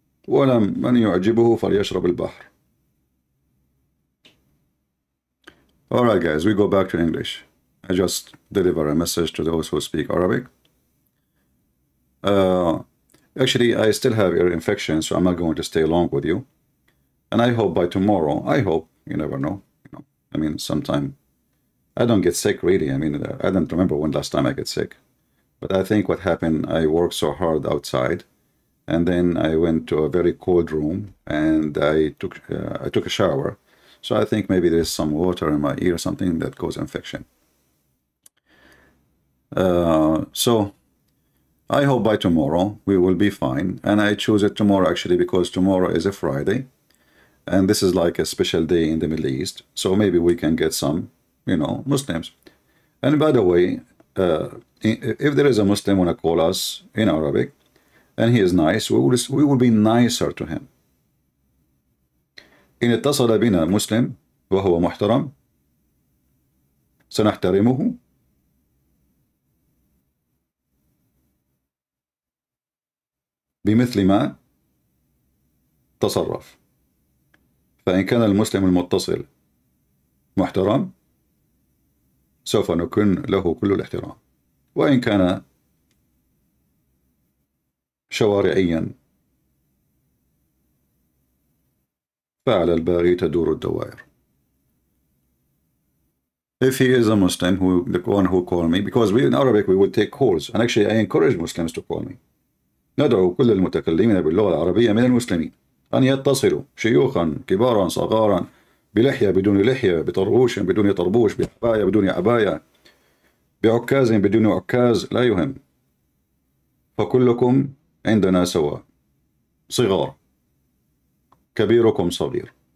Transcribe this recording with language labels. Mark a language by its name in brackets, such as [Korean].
[Arabic] ولم من يعجبه فليشرب البحر. [English] Alright guys, we go back to English. I just deliver a message to those who speak Arabic. Actually, I still have ear infection, so I'm not going to stay long with you. And I hope by tomorrow, I hope, you never know. You know, I mean, sometime, I don't get sick really. I mean, I don't remember when last time I get sick. But I think what happened, I worked so hard outside. And then I went to a very cold room and I took a shower. So I think maybe there's some water in my ear or something that causes infection. So I hope by tomorrow we will be fine. And I choose it tomorrow actually because tomorrow is a Friday. And this is like a special day in the Middle East. So maybe we can get some, you know, Muslims. And by the way, if there is a Muslim want to call us in Arabic and he is nice, we will be nicer to him. [Arabic] إن اتصل بنا مسلم وهو محترم سنحترمه بمثل ما تصرف فإن كان المسلم المتصل محترم سوف نكون له كل الاحترام وإن كان شوارعيا فعلى الباغي تدور الدوائر. [English] If he is a Muslim, the one who called me, because we in Arabic we would take calls, and actually I encourage Muslims to call me. [Arabic] ندعو كل المتكلمين باللغة العربية من المسلمين أن يتصلوا شيوخا كبارا صغارا بلحية بدون لحية بطربوش بدون طربوش بعباية بدون عباية بعكاز بدون عكاز لا يهم فكلكم عندنا سواء صغار كبيركم صغير